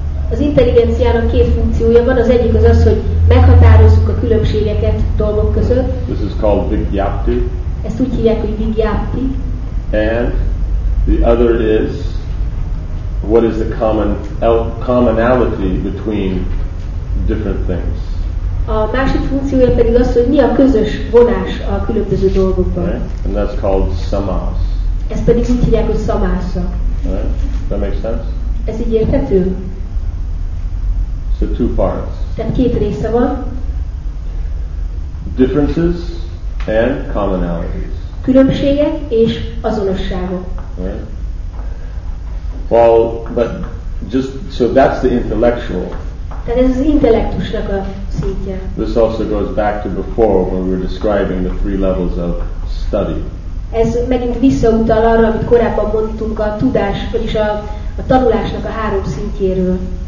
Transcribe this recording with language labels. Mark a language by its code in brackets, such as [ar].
[hu] Az intelligenciának két funkciója van, az egyik az, hogy meghatározzuk a különbségeket dolgok között. [en] This is called vigyapti. [hu] Ezt úgy hívják, hogy vigyapti. [en] And the other is what is the commonality between different things? [hu] A másik funkciója pedig az, hogy mi a közös vonás a különböző dolgokban. [en] Right? And that's called samas. [hu] Ezt pedig úgy hívják, hogy samasa. [en] Right? That makes sense? [hu] Ez így érthető? [en] So two parts. [hu] Tehát két része van. [en] Differences and commonalities. [hu] Különbségek és azonosságok. [en] Right? Well, but just so that's the intellectual. [hu] Tehát ez az intellektusnak a szintje. [en] This also goes back to before when we were describing the three levels of study. [hu] Ez megint visszautal arra, amit korábban mondtunk a tudás, vagyis a tanulásnak a három szintjéről.